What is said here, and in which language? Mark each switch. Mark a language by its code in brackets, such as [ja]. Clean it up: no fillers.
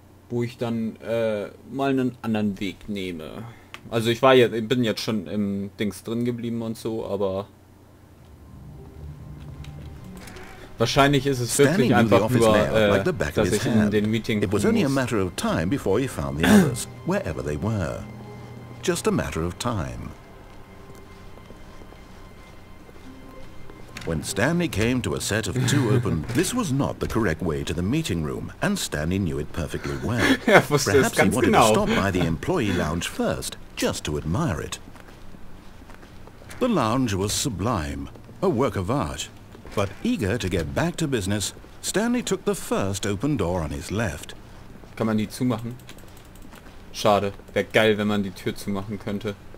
[de] Wo ich dann mal einen anderen Weg nehme. Also ich war jetzt, bin jetzt schon im Dings drin geblieben und so, aber... Wahrscheinlich ist es wirklich einfach nur, dass ich in den Meeting kommen muss. [en] It was only a matter of time before he found the others, wherever they were. Just a matter of time. When Stanley came to a set of two open, this was not the correct way to the meeting room, and Stanley knew it perfectly well. Perhaps he wanted [de] genau. [en] To stop by the employee lounge first, just to admire it. The lounge was sublime, a work of art. But eager to get back to business, Stanley took the first open door on his left. [de] Kann man die zumachen? Schade. Wäre geil, wenn man die Tür zumachen könnte.